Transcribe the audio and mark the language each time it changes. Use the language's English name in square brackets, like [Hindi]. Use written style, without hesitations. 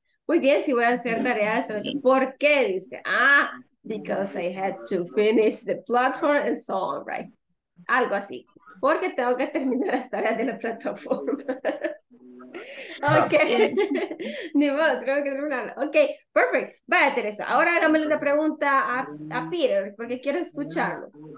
[Spanish] Muy bien, si voy a hacer tarea esta noche. ¿Por qué? Dice, ah, [English] because I had to finish the platform and so on, right? [Spanish] Algo así. Porque tengo que terminar las tareas de la plataforma. Ok. Ni modo, tengo que terminar. [English] Ok, perfect. [Spanish] Vaya, Teresa, ahora hágamele una pregunta a Peter, porque quiero escucharlo.